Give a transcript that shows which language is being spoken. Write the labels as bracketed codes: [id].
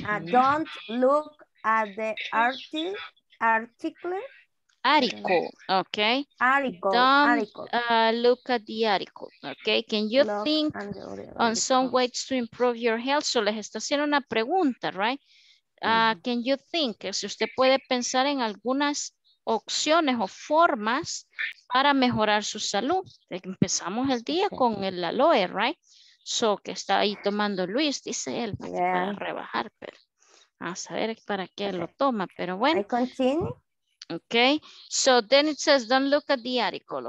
[en] Don't look at the article. Okay. Article. Look at the article. Okay. Can you look think on some ways to improve your health? [es] So les está haciendo una pregunta, right? [en] Can you think? [es] Si usted puede pensar en algunas opciones o formas para mejorar su salud. Empezamos el día con el aloe, right? So, que está ahí tomando Luis, dice él, para rebajar, pero a saber para qué lo toma, pero bueno. [en] I continue. Okay, so then it says don't look at the article.